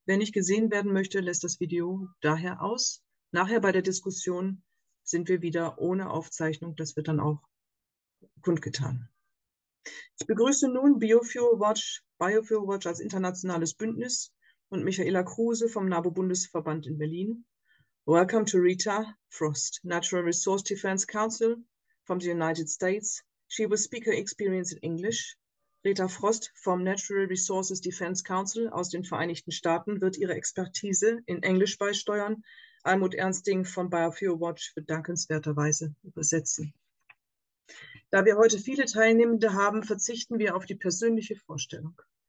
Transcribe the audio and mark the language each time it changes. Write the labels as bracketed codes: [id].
[de] Wer nicht gesehen werden möchte, lässt das Video daher aus. Nachher bei der Diskussion sind wir wieder ohne Aufzeichnung. Das wird dann auch kundgetan. Ich begrüße nun BioFuelWatch als internationales Bündnis und Michaela Kruse vom NABU-Bundesverband in Berlin. [en] Welcome to Rita Frost, Natural Resource Defense Council from the United States. She will speak her experience in English. [de] Rita Frost vom Natural Resources Defense Council aus den Vereinigten Staaten wird ihre Expertise in Englisch beisteuern. Almut Ernsting von BioFuelWatch wird dankenswerterweise übersetzen. Da wir heute viele Teilnehmende haben, verzichten wir auf die persönliche Vorstellung.